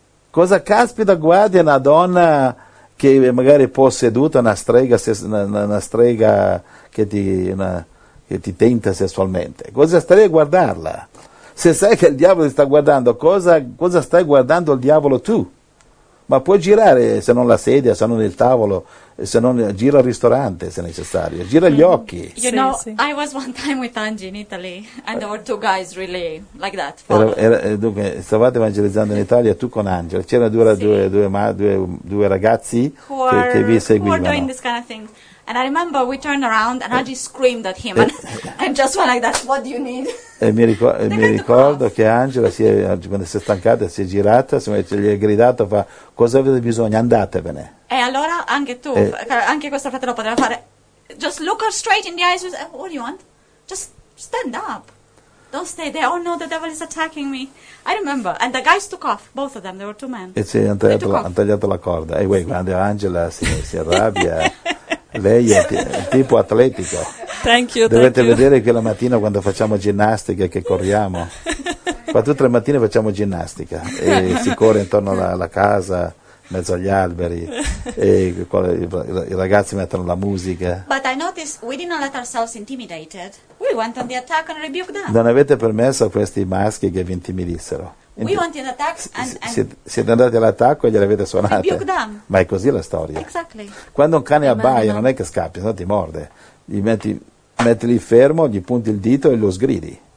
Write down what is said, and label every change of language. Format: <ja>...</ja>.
<it>Cosa caspita guardi una donna che magari posseduta, una strega che ti tenta sessualmente. Cosa stai a guardarla? Se sai che il diavolo ti sta guardando, cosa stai guardando il diavolo tu? Ma puoi girare, se non la sedia, se non il tavolo, se non gira al ristorante, se necessario. Gira gli occhi.</it> <en>You know, sì. I was one time with Angie in Italy, and there were two guys really like that.</en> <it>Dunque, stavate evangelizzando in Italia, tu con Angie. C'erano due ragazzi che vi seguivano.</it> <en>Who were doing this kind of thing. And I remember we turned around, and Angie screamed at him. And just went like that, what do you need?</en> <it>E mi ricordo che Angela, quando si è stancata, si è girata, gli ha gridato, fa, cosa avete bisogno? Andatevene. E allora anche tu, anche questo fratello poteva fare,</it> <en>just look her straight in the eyes, what do you want? Just stand up. Don't stay there, oh no, the devil is attacking me. I remember, and the guys took off, both of them, there were two men.</en> <it>E si è tagliato la corda. E sì. Quando Angela si arrabbia, lei è un tipo atletico.</it> <en>Thank you,</en> <it>dovete</it> <en>thank</en> <it>vedere</it> <en>you.</en> <it>Che la mattina quando facciamo ginnastica che corriamo, qua tutte le mattine facciamo ginnastica e si corre intorno alla casa, mezzo agli alberi e i ragazzi mettono la musica.</it> <en>But I noticed we did not let ourselves intimidated. We went on the attack and rebuked them.</en> <it>Non avete permesso a questi maschi che vi intimidissero.</it> <en>We went in attack</en> <it>siete andati all'attacco e gli avete suonato. Ma è così la storia.</it> <en>Exactly.</en> <it>Quando un cane abbaia non è che scappi, se no ti morde. Gli metti lì fermo, gli punti il dito e lo sgridi.</it>